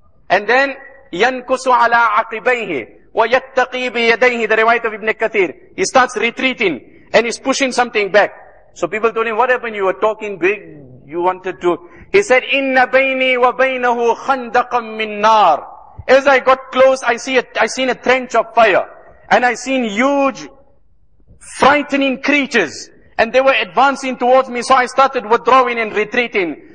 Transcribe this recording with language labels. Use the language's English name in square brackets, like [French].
[English] And then, [Arabic] يَنْكُسُ عَلَىٰ عَقِبَيْهِ وَيَتَّقِي بِيَدَيْهِ. [English] The riwayat of Ibn Kathir. He starts retreating and he's pushing something back. So people told him, what happened? You were talking big. You wanted to. He said, [Arabic] إِنَّ بَيْنِي وَبَيْنَهُ خَنْدَقًا مِّن نَارِ. [English] As I got close, I seen a trench of fire. And I seen huge, frightening creatures. And they were advancing towards me. So I started withdrawing and retreating.